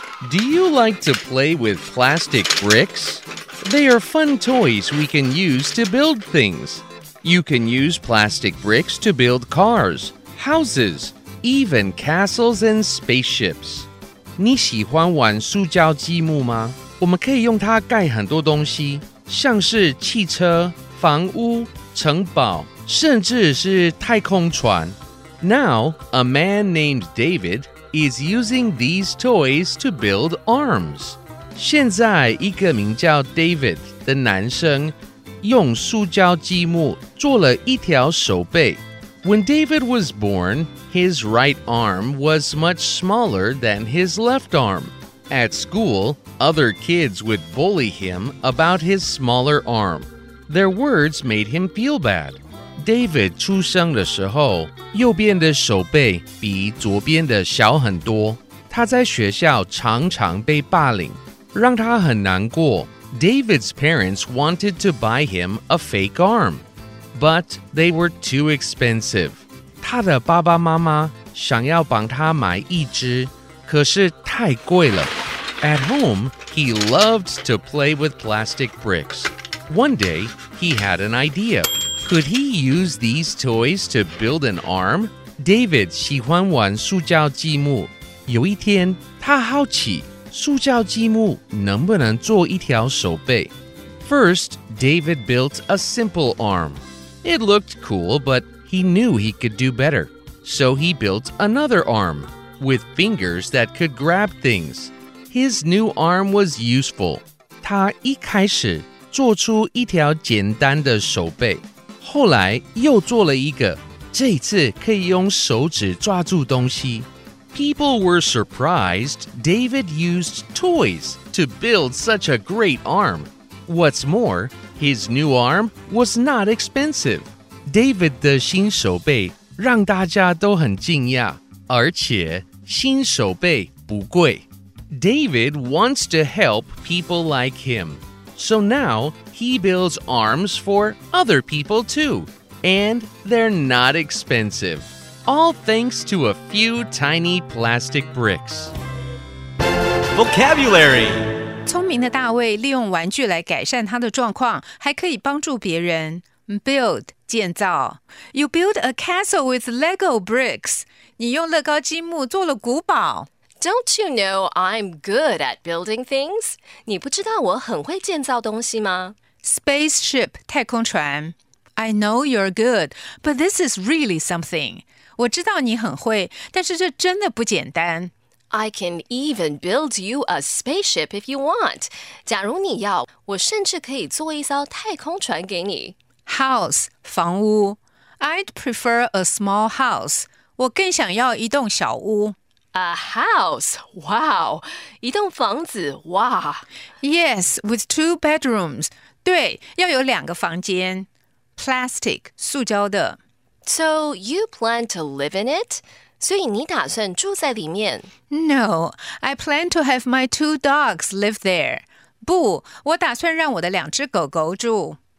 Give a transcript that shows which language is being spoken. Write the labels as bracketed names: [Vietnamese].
[English] Do you like to play with plastic bricks? They are fun toys we can use to build things. You can use plastic bricks to build cars, houses, even castles and spaceships. [Chinese] 你喜欢玩塑胶积木吗？我们可以用它盖很多东西，像是汽车、房屋、城堡，甚至是太空船。 [English] Now, a man named David is using these toys to build arms. [Chinese] 现在一个名叫 David 的男生用塑胶积木做了一条手臂。 [English] When David was born, his right arm was much smaller than his left arm. At school, other kids would bully him about his smaller arm. Their words made him feel bad. [Chinese] David 出生的时候，右边的手臂比左边的小很多。他在学校常常被霸凌，让他很难过。 [English] David's parents wanted to buy him a fake arm, but they were too expensive. [Chinese] 他的爸爸妈妈想要帮他买一只，可是太贵了。 [English] At home, he loved to play with plastic bricks. One day, he had an idea. Could he use these toys to build an arm? [Chinese] David 喜欢玩塑胶积木。有一天，他好奇塑胶积木能不能做一条手臂。 [English] First, David built a simple arm. It looked cool, but he knew he could do better. So he built another arm, with fingers that could grab things. His new arm was useful. [Chinese] 他一开始做出一条简单的手臂，后来又做了一个，这一次可以用手指抓住东西。 [English] People were surprised David used toys to build such a great arm. What's more, his new arm was not expensive. [Chinese] David 的新手臂让大家都很惊讶，而且新手臂不贵。 [English] David wants to help people like him. So now he builds arms for other people too. And they're not expensive. All thanks to a few tiny plastic bricks. Vocabulary. [Chinese] 聪明的大卫利用玩具来改善他的状况，还可以帮助别人。 [English] Build, [Chinese] 建造。 [English] You build a castle with Lego bricks. [Chinese] 你用乐高积木做了古堡。 [English] Don't you know I'm good at building things? [Chinese] 你不知道我很会建造东西吗? [English] Spaceship, [Chinese] 太空船。 [English] I know you're good, but this is really something. [Chinese] 我知道你很会,但是这真的不简单。 [English] I can even build you a spaceship if you want. [Chinese] 假如你要,我甚至可以做一艘太空船给你。 [English] House, [Chinese] 房屋。 [English] I'd prefer a small house. [Chinese] 我更想要一栋小屋。 [English] A house, wow, [Chinese] 一栋房子, [English] wow. Yes, with two bedrooms, [Chinese] 对,要有两个房间。 [English] Plastic, [Chinese] 塑胶的。 [English] So you plan to live in it? [Chinese] 所以你打算住在里面? [English] No, I plan to have my two dogs live there. [Chinese] 不,我打算让我的两只狗狗住。